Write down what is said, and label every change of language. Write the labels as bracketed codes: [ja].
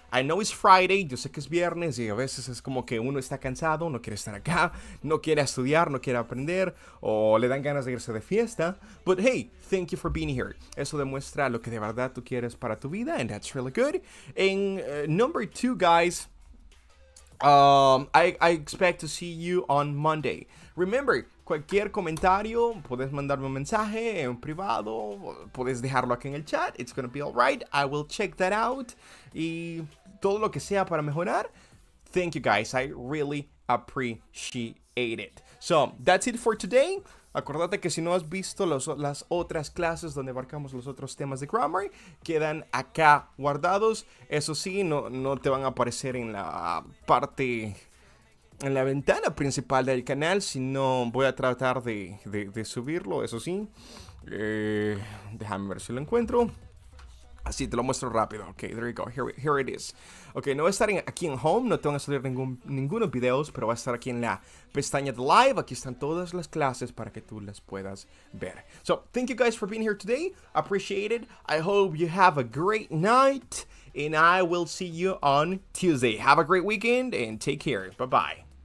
[en] I know it's Friday, [es] yo sé que es viernes, y a veces es como que uno está cansado, no quiere estar acá, no quiere estudiar, no quiere aprender, o le dan ganas de irse de fiesta. [en] But hey, thank you for being here. [es] Eso demuestra lo que de verdad tú quieres para tu vida, [en] and that's really good. And number two, guys, I expect to see you on Monday. Remember, [es] cualquier comentario, puedes mandarme un mensaje en privado, puedes dejarlo aquí en el chat. [en] It's gonna be alright. I will check that out. [es] Y todo lo que sea para mejorar. [en] Thank you guys. I really appreciate it. So, that's it for today. [es] Acuérdate que si no has visto las otras clases donde abarcamos los otros temas de grammar, quedan acá guardados. Eso sí, no te van a aparecer en la parte, en la ventana principal del canal, sino voy a tratar de subirlo, eso sí. Déjame ver si lo encuentro. Así, te lo muestro rápido. [en] Ok, there you go. Here it is. [es] Ok, no voy a estar aquí en home. No te van a salir ningunos videos, pero voy a estar aquí en la pestaña de live. Aquí están todas las clases para que tú las puedas ver. [en] So, thank you guys for being here today. Appreciate it. I hope you have a great night. And I will see you on Tuesday. Have a great weekend and take care. Bye-bye.